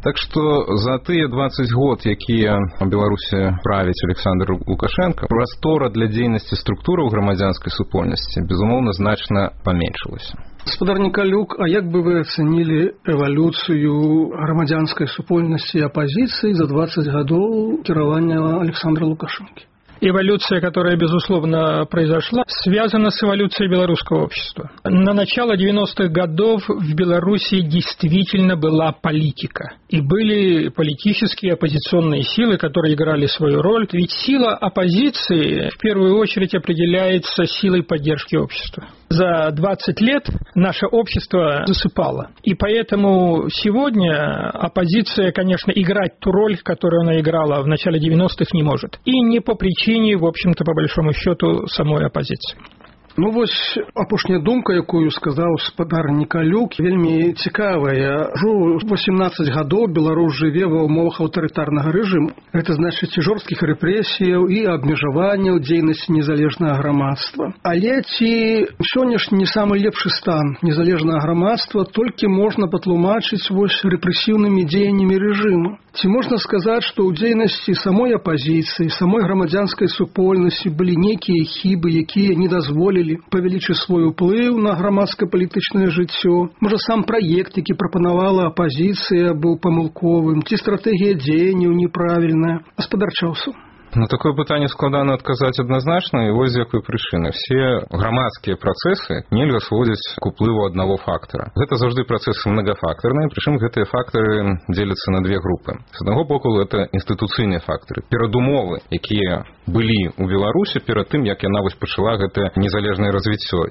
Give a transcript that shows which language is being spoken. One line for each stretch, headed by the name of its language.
Belarusian: Так што за тыя 20 год, якія ў Беларусі правіць Александр Лукашэнка, прастора для дзейнасці структураў грамадзянскай супольнасці безумоўна значна паменшылася. Спадар Нікалюк, а як бы вы ацанілі эвалюцыю грамадзянскай супольнасці і апазіцыі за 20 гадоў кіравання Александра Лукашэнкі?
Russian: Эволюция, которая, безусловно, произошла, связана с эволюцией белорусского общества. На начало 90-х годов в Беларуси действительно была политика. И были политические оппозиционные силы, которые играли свою роль. Ведь сила оппозиции в первую очередь определяется силой поддержки общества. За 20 лет наше общество засыпало. И поэтому сегодня оппозиция, конечно, играть ту роль, которую она играла в начале 90-х, не может. И не по причине, в общем-то, по большому счету, самой оппозиции.
Belarusian: Ну, вось, апошняя думка, якую сказаў спадар Нікалюк, вельмі цікавая. Ужо 18 гадоў Беларус жыве ва ўмовах аўтарытарнага рэжыму. Гэта значыць жорсткіх рэпрэсіяў і абмежаванняў дзейнасці незалежнага грамадства. Але ці сённяшні не самы лепшы стан незалежнага грамадства толькі можна патлумачыць вось рэпрэсіўнымі дзеяннямі рэжыму? Ці можна сказаць, што ў дзейнасці самой апазіцыі, самой грамадзянскай супольнасці былі некія хібы, якія не дазволілі павялічыць свой уплыў на грамадска-палітычнае жыццё? Можа, сам праект, які прапанавала апазіцыя, быў памылковым? Ці стратэгія дзеянняў неправільная? Гаспадар Чаўсу.
Russian: На такое пытание складано отказать однозначно, и вот какой причины. Все громадские процессы нельзя сводить к уплыву одного фактора. Это завжди процессы многофакторные, причем эти факторы делятся на две группы. С одного боку, это институционные факторы, передумовы, которые были у Беларуси перед тем, как она начала это незалежное развитие.